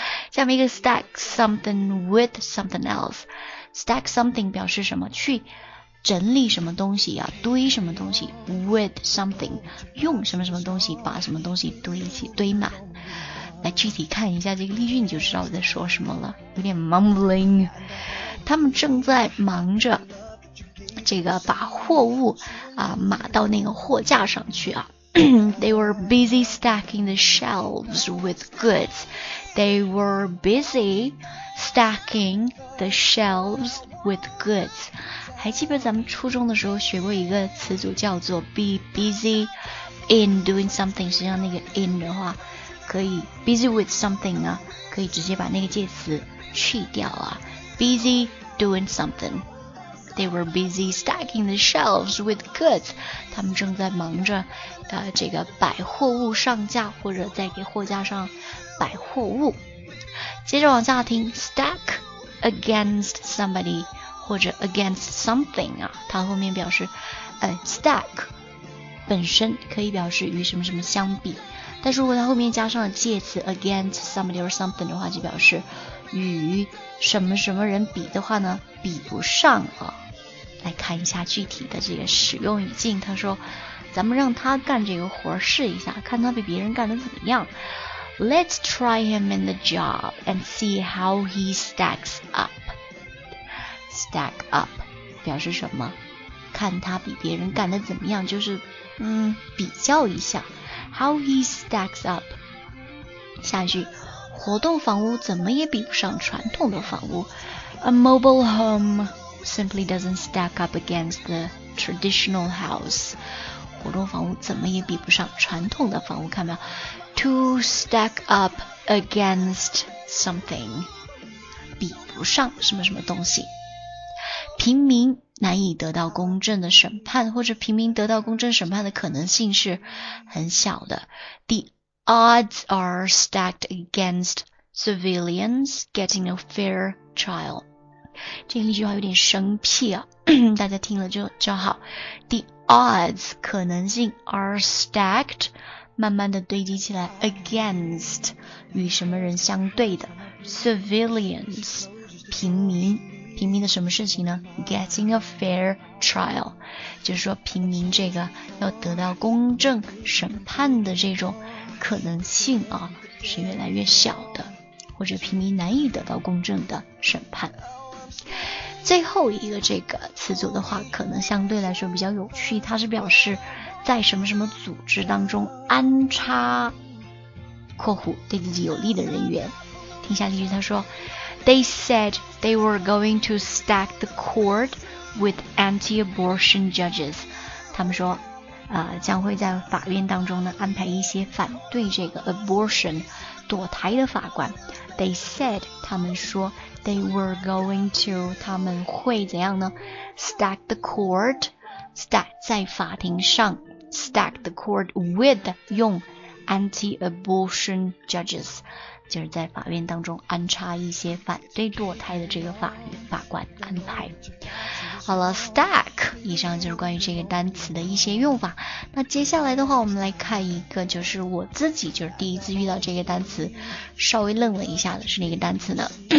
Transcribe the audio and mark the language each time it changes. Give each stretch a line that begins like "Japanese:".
Chinese: 下面一个
English: stack something with something else， stack something
Chinese: 表示什么，去整理什么东西啊，堆什么东西，
English: with something，
Chinese: 用什么什么东西把什么东西堆一起堆满。来具体看一下这个例句，你就知道我在说什么了，有点 mumbling。他们正在忙着这个把货物码到那个货架上去啊。
English: They were busy stacking the shelves with goods. They were busy stacking the shelves with goods.
Chinese: 还记得咱们初中的时候学过一个词组叫做
English: be busy in doing something，
Chinese: 实际上那个 in 的话可以
English: busy with something
Chinese: 啊，可以直接把那个介词去掉啊，
English: busy doing something。 They were busy stacking the shelves with goods.
Chinese: 他们正在忙着这个摆货物上架，或者在给货架上摆货物。接着往下听，
English: stack against somebody
Chinese: 或者
English: against something
Chinese: 啊，它后面表示stack 本身可以表示与什么什么相比，但是如果它后面加上了介词
English: against somebody or something
Chinese: 的话，就表示与什么什么人比的话呢，比不上啊。来看一下具体的这个使用语境，他说咱们让他干这个活试一下，看他比别人干得怎么样。
English: Let's try him in the job and see how he stacks up. Stack up
Chinese: 表示什么，看他比别人干得怎么样，就是比较一下。
English: How he stacks up，
Chinese: 下一句，活动房屋怎么也比不上传统的房屋。
English: A mobile homeSimply doesn't stack up against the traditional house.
Chinese: 活动房屋怎么也比不上传统的房屋，看到
English: To stack up against something，
Chinese: 比不上什么什么东西。平民难以得到公正的审判，或者平民得到公正审判的可能性是很小的。
English: The odds are stacked against civilians getting a fair trial.
Chinese: 这一句话有点生僻啊，大家听了就好。
English: The odds
Chinese: 可能性
English: are stacked
Chinese: 慢慢的堆积起来 against 与什么人相对的
English: civilians
Chinese: 平民，平民的什么事情呢？
English: Getting a fair trial，
Chinese: 就是说平民这个要得到公正审判的这种可能性啊，是越来越小的，或者平民难以得到公正的审判。最后一个这个词组的话，可能相对来说比较有趣，它是表示在什么什么组织当中安插（括弧）对自己有利的人员。听下例句，他说。
English: They said they were going to stack the court with anti-abortion judges.
Chinese: 他们说，将会在法院当中呢安排一些反对这个 abortion 堕胎的法官。
English: They said
Chinese: 他们说
English: they were going to
Chinese: 他们会怎样呢
English: ？Stack the court, stack
Chinese: 在法庭上
English: ，stack the court with 用 anti-abortion judges。
Chinese: 就是在法院当中安插一些反对堕胎的这个法官安排。好了 ，stack， 以上就是关于这个单词的一些用法。那接下来的话，我们来看一个，就是我自己就是第一次遇到这个单词，稍微愣了一下的是哪个单词呢？